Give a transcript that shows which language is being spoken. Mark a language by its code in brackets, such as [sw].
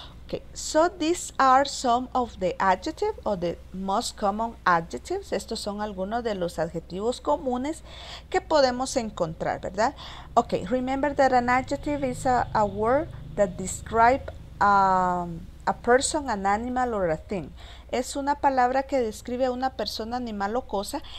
[en] Okay, so these are some of the adjectives or the most common adjectives. [es] Estos son algunos de los adjetivos comunes que podemos encontrar, ¿verdad? [en] Okay, remember that an adjective is a word that describes A person, an animal or a thing. [es] Es una palabra que describe a una persona, animal o cosa.